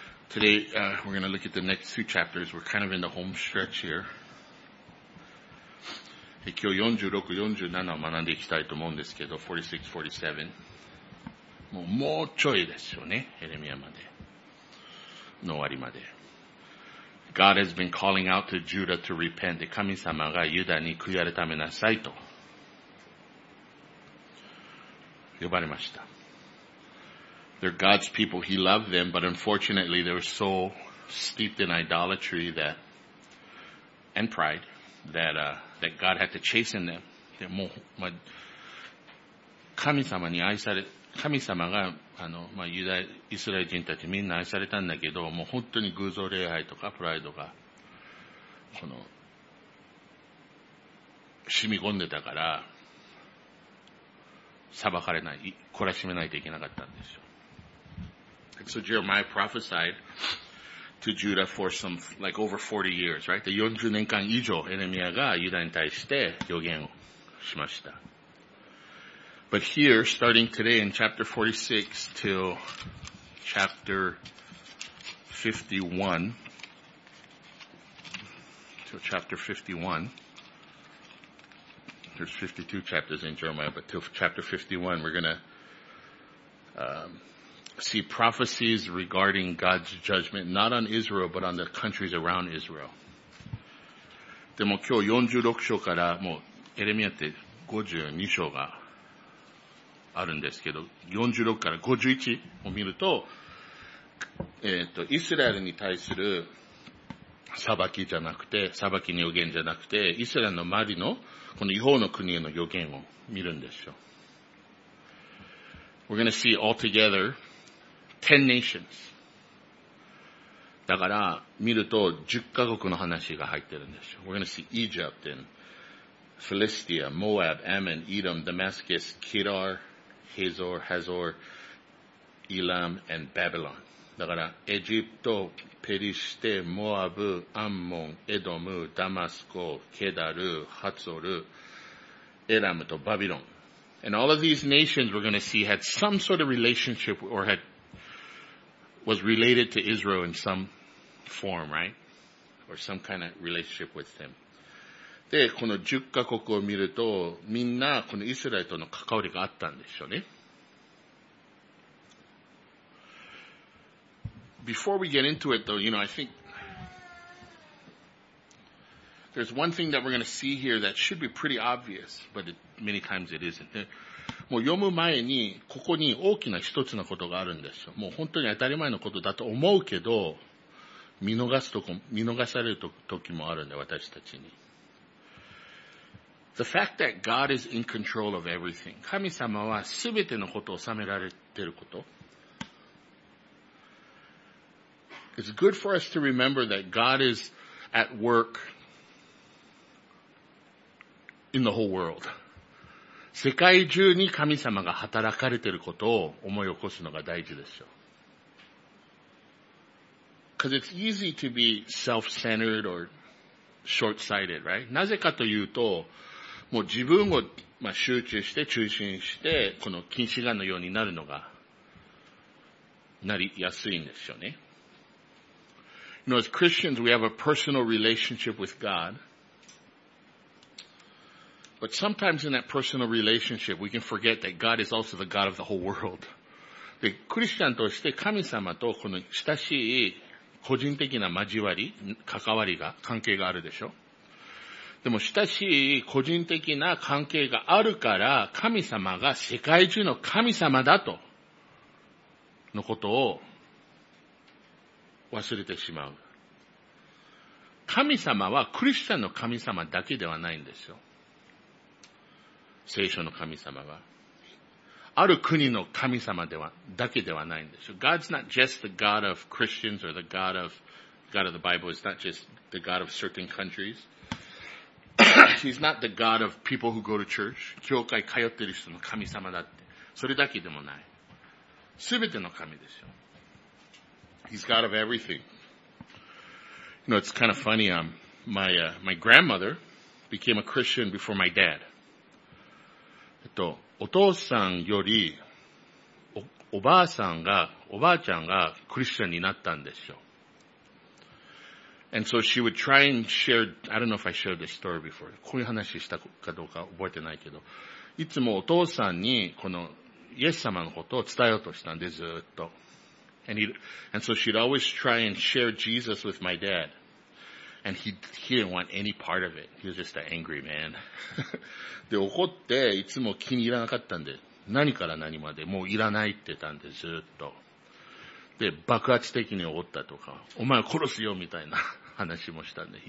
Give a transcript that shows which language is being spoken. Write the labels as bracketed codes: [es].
[en] Today, we're going to look at the next two chapters. We're kind of in the home stretch here. [ja] Hey, 今日46、47を学んでいきたいと思うんですけど、46、47。もうちょいですよね。エレミアまで。の終わりまで。 [en] God has been calling out to Judah to repent. [ja] 神様がユダに悔い改めなさいと。呼ばれました。 [en] They're God's people. He loved them, but unfortunately they were so steeped in idolatry that, and pride, that God had to chasten them. They're more, [ja] ま、神様が、ま、ユダ、イスラエル人たちみんな愛されたんだけど、もう本当に偶像礼拝とかプライドが、染み込んでたから、裁かれない、懲らしめないといけなかったんですよ。 [en] So Jeremiah prophesied to Judah for some, like over 40 years, right? [ja] 40年間以上、エレミアがユダに対して予言をしました。 [en] But here, starting today in chapter 46 till chapter 51, there's 52 chapters in Jeremiah, but till chapter 51, we're gonna, see prophecies regarding God's judgment, not on Israel, but on the countries around Israel. [ja] でも今日46章からもうエレミアって52章があるんですけど、46から51を見ると、イスラエルに対する裁きじゃなくて、裁きの予言じゃなくて、イスラエルの周りの、この異邦の国への予言を見るんですよ。 [en] We're gonna see all together, 10 nations. [ja] だから、見ると10カ国の話が入ってるんですよ。 [en] We're gonna see Egypt and Philistia, Moab, Ammon, Edom, Damascus, Kedar, Hazor, Hazor, Elam, and Babylon. [ja] だから、エジプト、ペリシテ、モアブ、アンモン、エドム、ダマスコ、ケダル、ハツオル、エラムとバビロン。 [en] And all of these nations we're gonna see had some sort of relationship or had was related to Israel in some form, right? Or some kind of relationship with them. [ja] で、この10カ国を見ると、みんなこのイスラエルとの関わりがあったんでしょうね。 [en] Before we get into it though, I think there's one thing that we're going to see here that should be pretty obvious, but many times it isn't. [ja] もう読む前に、ここに大きな一つのことがあるんですよ。もう本当に当たり前のことだと思うけど、見逃されるときもあるんで、私たちに。 [en] The fact that God is in control of everything. [ja] 神様は全てのことを収められていること。 [en] It's good for us to remember that God is at work in the whole world. [ja] 世界中に神様が働かれていることを思い起こすのが大事ですよ。 [en] Because it's easy to be self-centered or short-sighted, right? [ja] なぜかというと、もう自分を、まあ、集中して、中心して、この近視眼のようになるのが、なりやすいんですよね。 [en] As Christians, we have a personal relationship with God. But sometimes in that personal relationship, we can forget that God is also the God of the whole world. [ja] で、クリスチャンとして神様とこの親しい個人的な交わり、関わりが、関係があるでしょ。でも、親しい個人的な関係があるから、神様が世界中の神様だと、のことを忘れてしまう。神様はクリスチャンの神様だけではないんですよ。聖書の神様は。ある国の神様では、だけではないんですよ。 [en] God's not just the God of Christians or the God of the Bible is not just the God of certain countries. He's not the God of people who go to church. [ja] 教会通ってる人の神様だって。それだけでもない。すべての神ですよ。 [en] He's God of everything. It's kind of funny, my grandmother became a Christian before my dad. [ja] お父さんより、おばあちゃんがクリスチャンになったんですよ。 [en] And so she would try and share, I don't know if I shared this story before. [ja] こういう話したかどうか覚えてないけど。いつもお父さんにこのイエス様のことを伝えようとしたんで、ずっと。 [en] And so she'd always try and share Jesus with my dad. And he didn't want any part of it. He was just an angry man. [ja] で、怒っていつも気に入らなかったんで、何から何までもういらないって言ったんで、ずっと。で、爆発的に怒ったとか、お前を殺すよみたいな話もしたんで。